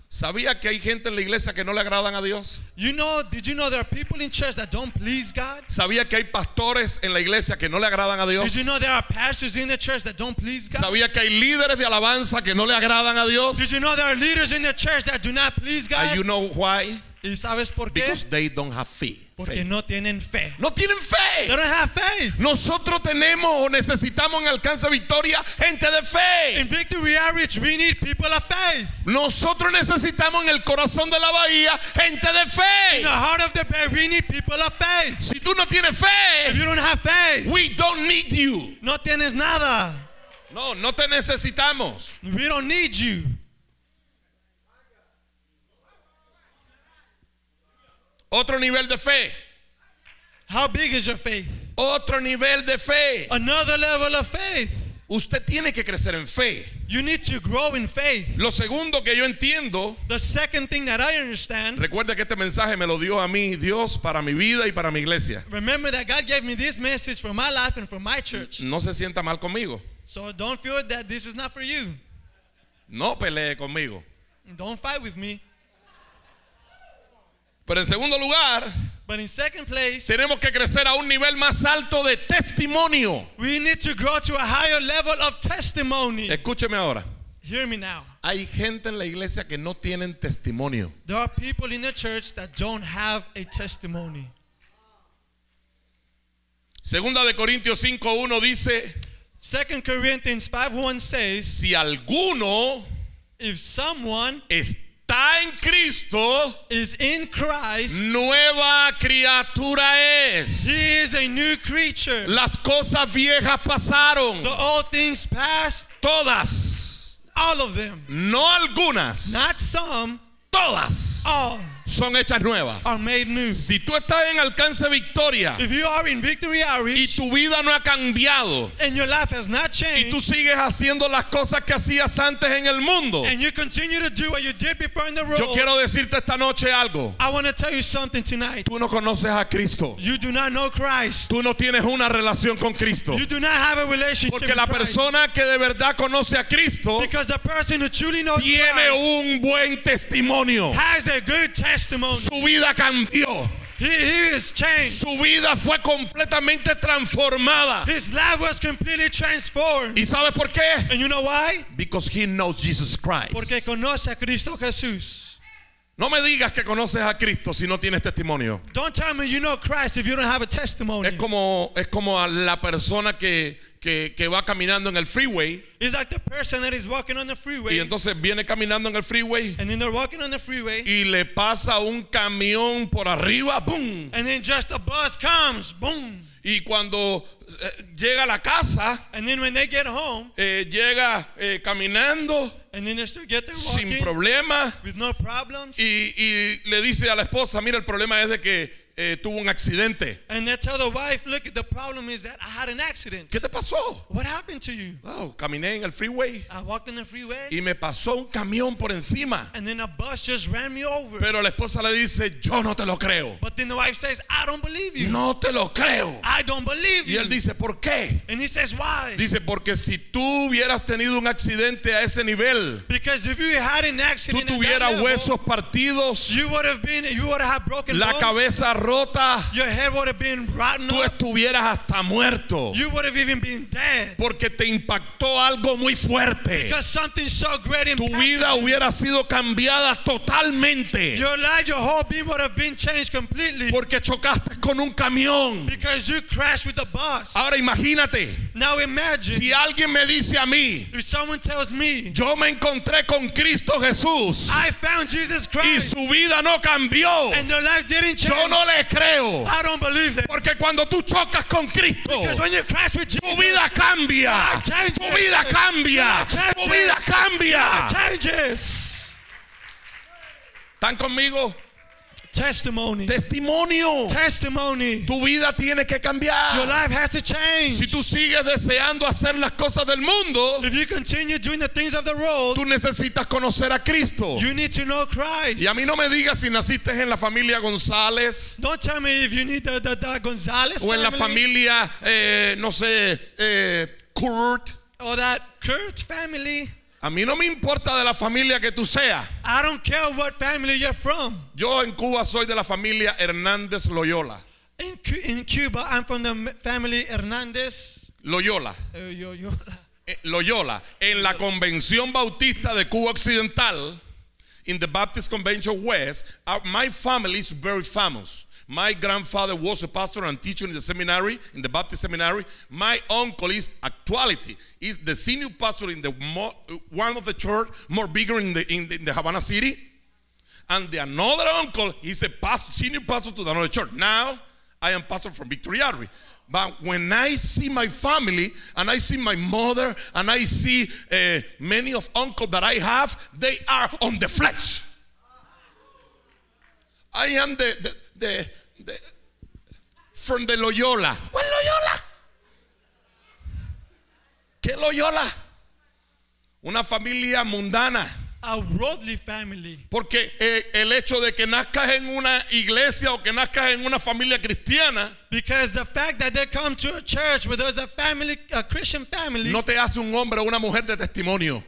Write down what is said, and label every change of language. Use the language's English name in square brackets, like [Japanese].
[Spanish] ¿Sabía que hay gente en la iglesia que no le agradan a Dios? [English] You know, did you know there are people in church that don't please God? [Spanish] ¿Sabía que hay pastores en la iglesia que no le agradan a Dios? [English] Did you know there are pastors in the church that don't please God? [Spanish] ¿Sabía que hay líderes de alabanza que no le agradan a Dios? [English] Did you know there are leaders in the church that do not please God? You know why? [Spanish] ¿Y sabes por qué? [English] Because they don't have faith. [Spanish] Porque no tienen fe. No tienen fe. [English] They don't have faith. [Spanish] Nosotros tenemos o necesitamos en Alcance Victoria gente de fe. [English] In Victory Outreach we need people of faith. [Spanish] Nosotros necesitamos en el corazón de la bahía gente de fe. [English] In the heart of the bay we need people of faith. [Spanish] Si tú no tienes fe, [English] if you don't have faith, we don't need you. [Spanish] No tienes nada. No, no te necesitamos. [English] We don't need you. [Spanish] Otro nivel de fe. [English] How big is your faith? [Spanish] Otro nivel de fe. [English] Another level of faith. [Spanish] Usted tiene que crecer en fe. [English] You need to grow in faith. [Spanish] Lo segundo que yo entiendo, [English] the second thing that I understand. [Spanish] Recuerda que este mensaje me lo dio a mí Dios para mi vida y para mi iglesia. [English] Remember that God gave me this message for my life and for my church. [Spanish] No se sienta mal conmigo. [English] So don't feel that this is not for you. [Spanish] No pelee conmigo. [English] Don't fight with me. [Spanish] Pero en segundo lugar, [English] but in second place, [Spanish] tenemos que crecer a un nivel más alto de testimonio. [English] We need to grow to a higher level of testimony. [Spanish] Escúcheme ahora. [English] Hear me now. [Spanish] Hay gente en la iglesia que no tienen testimonio. [English] There are people in the church that don't have a testimony. [Spanish] Segunda de Corintios 5:1 dice, [English] 2 Corinthians 5:1 says, [Spanish] si alguno, [English] if someone, [Spanish] está en Cristo, [English] is in Christ, [Spanish] nueva criatura es. [English] He is a new creature. [Spanish] Las cosas viejas pasaron. [English] The old things passed. [Spanish] Todas. [English] All of them. [Spanish] No algunas. [English] Not some. [Spanish] Todas. [English] All. [Spanish] Son hechas nuevas. [English] Are made new. [Spanish] Si tú estás en Alcance Victoria, [English] if you are in Victory Outreach, [Spanish] y tu vida no ha cambiado, [English] and your life has not changed, [Spanish] y tú sigues haciendo las cosas que hacías antes en el mundo, [English] and you continue to do what you did before in the world, [Spanish] yo quiero decirte esta noche algo. [English] I want to tell you something tonight. [Spanish] Tú no conoces a Cristo. [English] You do not know Christ. [Spanish] Tú no tienes una relación con Cristo. [English] You do not have a relationship. [Spanish] Porque la persona [English] Christ. [Spanish] Que de verdad conoce a Cristo, [English] because the person who truly knows [Spanish] tiene [English] Christ, [Spanish] un buen testimonio, [English] has a good testimony. [Spanish] Su vida cambió. [English] He is changed. [Spanish] Su vida fue completamente transformada. [English] His life was completely transformed. [Spanish] ¿Y sabe por qué? [English] And you know why? Because he knows Jesus Christ. [Spanish] Porque conoce a Cristo Jesús. No me digas que conoces a Cristo si no tienes testimonio. [English] Don't tell me you know Christ if you don't have a testimony. [Spanish] Es como a la persona que va caminando en el freeway. [English] It's like the person that is walking on the freeway. [Spanish] Y entonces viene caminando en el freeway. [English] And then they're walking on the freeway. [Spanish] Y le pasa un camión por arriba, boom. [English] And then just a bus comes, boom. [Spanish] Y cuando llega a la casa, [English] and then when they get home, [Spanish] llega caminando, [English] and then they still get there walking, [Spanish] sin problema, [English] with no problems. [Spanish] Y le dice a la esposa, mira, el problema es de que tuvo un accidente. [English] And they tell the wife, look, the problem is that I had an accident. [Spanish] ¿Qué te pasó? [English] What happened to you? [Spanish] Oh, caminé en el freeway. [English] I walked in the freeway. [Spanish] Y me pasó un camión por encima. [English] And then a bus just ran me over. [Spanish] Pero la esposa le dice, yo no te lo creo. [English] But then the wife says, I don't believe you. [Spanish] No te lo creo. [English] I don't believe you. [Spanish] Y él dice, ¿por qué? [English] And he says, why? [Spanish] Dice, porque si tú hubieras tenido un accidente a ese nivel, [English] because if you had an accident, [Spanish] tú tuvieras [English] at that level, [Spanish] huesos partidos, [English] you would have broken [Spanish] la [English] bones, [Spanish] cabeza rota, [English] your head would have been rotten, [Spanish] tú estuvieras hasta muerto, [English] you would have even been dead, [Spanish] porque te impactó algo muy fuerte, [English] because something so great impacted, [Spanish] tu vida hubiera sido cambiada totalmente, [English] your life, your whole being would have been changed completely, [Spanish] porque chocaste con un camión, [English] because you crashed with a bus. [Spanish] Ahora imagínate, [English] now imagine, [Spanish] si alguien me dice a mí, [English] if someone tells me, [Spanish] yo me encontré con Cristo Jesús, [English] I found Jesus Christ, [Spanish] y su vida no cambió, [English] and their life didn't change, [Spanish] yo no le creo. [English] I don't believe that. [Spanish] Porque cuando tú chocas con Cristo, [English] because when you crash with Jesus, [Spanish] tu vida cambia. [English] Life changes. [Spanish] Tu vida cambia. [English] Life changes. [Spanish] Tu vida cambia. [English] Life changes. [Spanish] ¿Están conmigo? [English] Testimony. [Spanish] Testimonio. [English] Testimony. [Spanish] Tu vida tiene que cambiar. [English] Your life has to change. [Spanish] Si tú sigues deseando hacer las cosas del mundo, [English] if you continue doing the things of the world, [Spanish] tú necesitas conocer a Cristo. [English] You need to know Christ. [Spanish] Y a mí no me digas si naciste en la familia González. [English] Don't tell me if you need the González [Spanish] o en [English] family, [Spanish] la familia no sé, Kurt. [English] Or that Kurt family. [Spanish] A mí no me importa de la familia que tú seas. [English] I don't care what family you're from. [Spanish] Yo en Cuba soy de la familia Hernández Loyola. [English] In Cuba, I'm from the family Hernández Loyola. Loyola. [Spanish] Loyola. En la Convención Bautista de Cuba Occidental, [English] In the Baptist Convention West, my family is very famous. My grandfather was a pastor and teacher in the seminary, in the Baptist seminary. My uncle is actuality, is the senior pastor in the one of the church more bigger in the Havana city. And the another uncle is the pastor, senior pastor to another church. Now I am pastor from Victory Arbery. But when I see my family and I see my mother and I see many of uncle that I have, they are on the flesh. I am the from the Loyola. What Loyola? [Spanish] ¿Qué Loyola? Una familia mundana. [English] A worldly family. [Spanish] Porque el hecho de que nazcas en una iglesia o que nazcas en una familia cristiana, [English] because the fact that they come to a church where there's a family, a Christian family, [Spanish] no te hace un hombre o una mujer de testimonio.